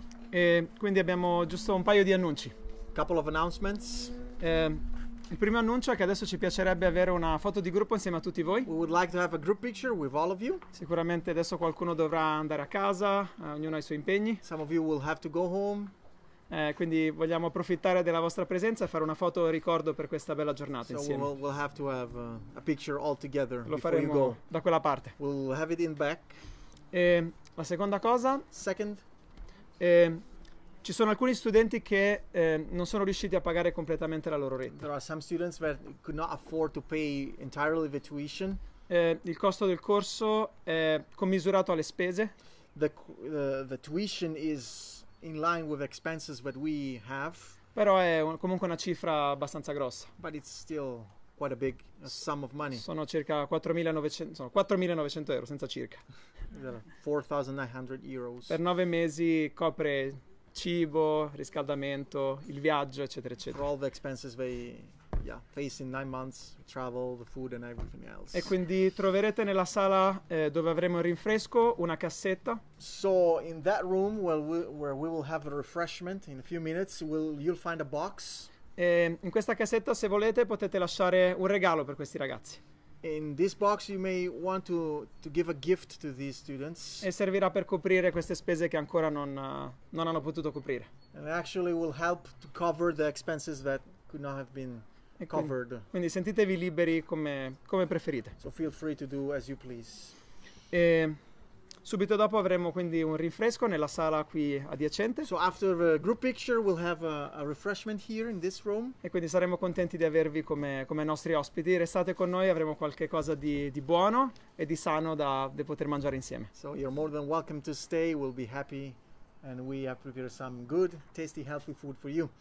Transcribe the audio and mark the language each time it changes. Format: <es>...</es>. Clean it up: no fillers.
<it>E quindi abbiamo giusto un paio di annunci.</it> <en>Couple of announcements.</en> <it>Il primo annuncio è che adesso ci piacerebbe avere una foto di gruppo insieme a tutti voi.</it> <en>We would like to have a group picture with all of you.</en> <it>Sicuramente adesso qualcuno dovrà andare a casa, ognuno ha i suoi impegni.</it> <en>Some of you will have to go home.</en> <it>Quindi vogliamo approfittare della vostra presenza e fare una foto ricordo per questa bella giornata</it> <en>so</en> <it>insieme.</it> <en>We'll have to have a picture all together.</en> <it>Lo faremo</it> <en>you go.</en> <it>Da quella parte.</it> <en>We'll have it in back.</en> <it>E la seconda cosa.</it> <en>Second.</en> <it>Ci sono alcuni studenti che non sono riusciti a pagare completamente la loro rente.</it> <en>There are some students that could not afford to pay entirely the tuition.</en> <it>Il costo del corso è commisurato alle spese.</it> <en>The tuition is in line with expenses that we have.</en> <it>Però è comunque una cifra abbastanza grossa.</it> <en>But it's still quite a big sum of money.</en> <it>Sono circa 4.900 euro, senza circa.</it> <en>4.900 euros.</en> <it>Per 9 mesi copre cibo, riscaldamento, il viaggio, eccetera, eccetera.</it> <en>For all the expenses they face in 9 months, travel, the food and everything else.</en> <it>E quindi troverete nella sala dove avremo il rinfresco una cassetta.</it> <en>So in that room where we will have a refreshment in a few minutes, you'll find a box.</en> <it>E in questa cassetta, se volete, potete lasciare un regalo per questi ragazzi.</it> <en>In this box you may want to give a gift to these students.</en> <it>E servirà per coprire queste spese che ancora non hanno potuto coprire.</it> <en>And actually will help to cover the expenses that could not have been covered.</en> <it>Quindi sentitevi liberi come preferite.</it> <en>So feel free to do as you please.</en> <it>E Subito dopo avremo quindi un rinfresco nella sala qui adiacente.</it> <en>So after the group picture we'll have a refreshment here in this room.</en> <it>E quindi saremo contenti di avervi come nostri ospiti. Restate con noi, avremo qualche cosa di buono e di sano da poter mangiare insieme.</it> <en>So you're more than welcome to stay, we'll be happy and we have prepared some good, tasty, healthy food for you.</en>